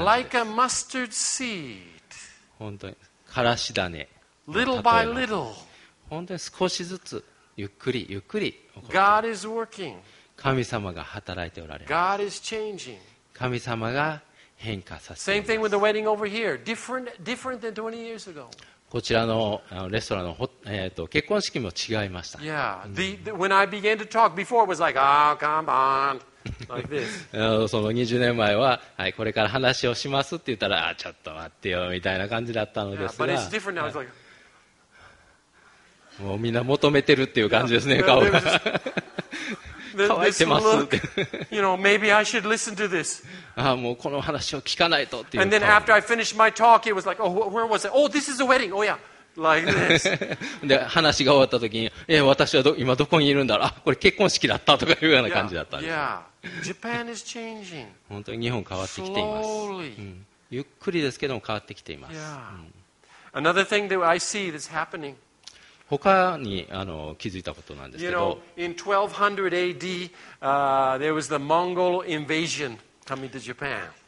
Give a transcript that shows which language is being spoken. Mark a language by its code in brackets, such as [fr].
[en] Like a mustard seed. [ja] 本当にからし種。 [en] Little by little. [ja] 本当に少しずつゆっくりゆっくり。 [en] God is working. [ja] 神様が働いておられる。 [en] God is changing. [ja] 神様が変化させています [en] Same thing with the wedding over here. Different than 20 years ago. [ja] こちらのレストランの結婚式も違いました。 [en] Yeah. When I began to talk before, it was like, oh, come on. Like this. [ja] その20年前は、はい、これから話をしますって言ったら、あ、ちょっと待ってよ、みたいな感じだったのですが。 [en] Yeah, but it's different now. It's like... [ja] もうみんな求めてるっていう感じですね、顔が。乾いてますって。 [en] You know, maybe I should listen to this. [ja] もうこの話を聞かないとっていう。 [en] And then after I finished my talk, it was like, oh, where was it? Oh, this is a wedding. Oh, yeah. Like this. [ja] で、話が終わった時に、私は今どこにいるんだろう。あ、これ結婚式だったとかいうような感じだったんです。 [en] Japan is changing. [ja] 本当に日本変わってきています。 [en] Slowly. [ja] ゆっくりですけども変わってきています。 [en] Another thing that I see that's happening. [ja] 他に気づいたことなんですけど、 [en] you know, in 1200 AD, there was the Mongol invasion coming to Japan.